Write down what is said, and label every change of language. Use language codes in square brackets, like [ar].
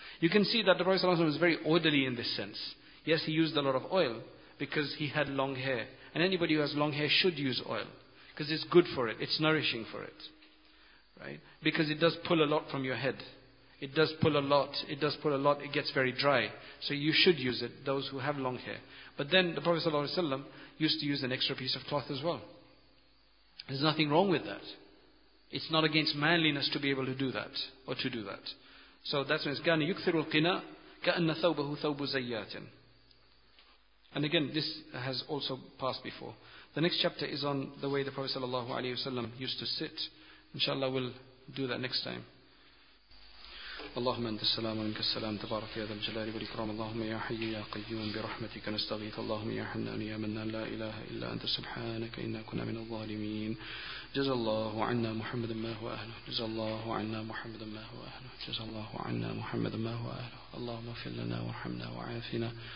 [en] You can see that the Prophet sallallahu alaihi wasallam was very orderly in this sense. Yes, he used a lot of oil because he had long hair, and anybody who has long hair should use oil because it's good for it, it's nourishing for it, right? Because it does pull a lot from your head. It does pull a lot. It does pull a lot. It gets very dry. So you should use it, those who have long hair. But then the Prophet ﷺ used to use an extra piece of cloth as well. There's nothing wrong with that. It's not against manliness to be able to do that, or to do that. So that's when it's [ar] كَانَ يُكْثِرُ الْقِنَاءَ كَأَنَّ ثَوْبَهُ ثَوْبُ زَيَّاتٍ. [en] And again, this has also passed before. The next chapter is on the way the Prophet ﷺ used to sit. Inshallah, we'll do that next time. [ar] اللهم انت السلام منك السلام تبارك يا ذا الجلال والإكرام اللهم يا حي يا قيوم برحمتك نستغيث اللهم يا حنان يا منان لا إله إلا أنت سبحانك إنا كنا من الظالمين جزا الله عنا محمد ما هو أهله جزا الله عنا محمد ما هو أهله جزا الله عنا محمد ما هو أهله اللهم اغفر لنا وارحمنا وعافنا